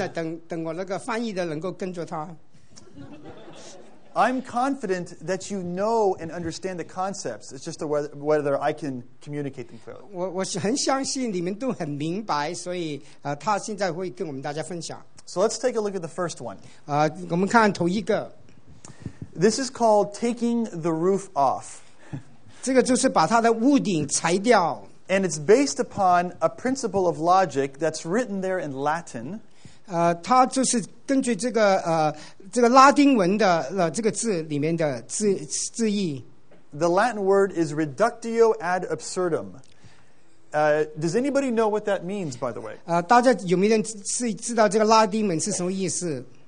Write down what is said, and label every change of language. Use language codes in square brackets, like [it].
[zh] 他会慢慢的、简单的等我那个翻译的能够跟着他。 [en] I'm confident that you know and understand the concepts. It's just whether I can communicate them clearly. [zh] 我很相信你们都很明白，所以他现在会跟我们大家分享。 [en] So let's take a look at the first one. [zh] 我们看头一个。 [en] This is called taking the roof off. [zh] 这个就是把它的屋顶拆掉。 [en] And it's based upon a principle of logic that's written there in Latin. [zh] 它就是根据这个拉丁文的这个字里面的字义。 [en] The Latin word is reductio ad absurdum. Does anybody know what that means, by the way? [zh] 大家有没有人知道这个拉丁文是什么意思?